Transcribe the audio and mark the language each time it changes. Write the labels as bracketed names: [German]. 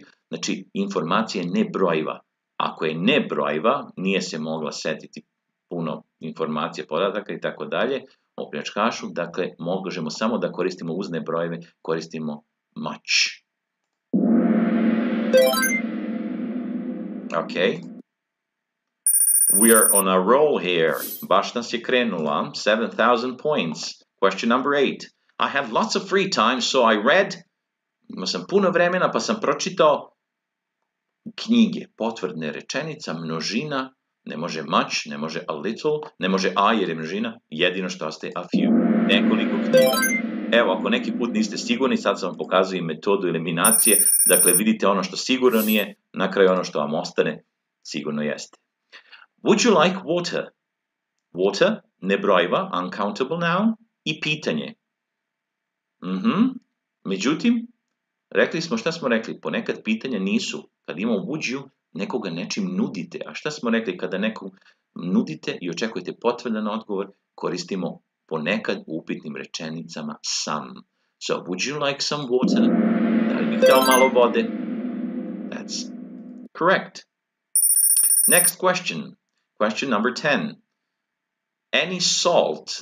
[Serbian] Znači, informacija je nebrojiva. Ako je nebrojiva, nije se mogla setiti puno informacije, podataka i tako dalje, o pljačkašu, dakle, možemo samo da koristimo uzne brojeve, koristimo much. [English] Ok. We are on a roll here. [Serbian] Baš nas je krenula. [English] 7,000 points. Question number 8. I had lots of free time, so I read... [Serbian] Imao sam puno vremena, pa sam pročitao knjige. Potvrdne rečenica, množina. Ne može much, ne može a little, ne može a jer je množina. Jedino što ostaje a few. Nekoliko knjiga. Evo, ako neki put niste sigurni, sad sam vam pokazao i metodu eliminacije. Dakle, vidite ono što sigurno nije, na kraju ono što vam ostane, sigurno jeste. [English] Would you like water? Water, nebrojiva, uncountable noun, i pitanje. [Serbian] Međutim, rekli smo šta smo rekli, ponekad pitanja nisu. Kad imamo would you, nekoga nečim nudite. A šta smo rekli, kada nekog nudite i očekujete potvrdan odgovor, koristimo ponekad u upitnim rečenicama sam. [English] So, would you like some water? [Serbian] Da li bih dao malo vode? [English] That's correct. Next question. Question number 10. Any salt?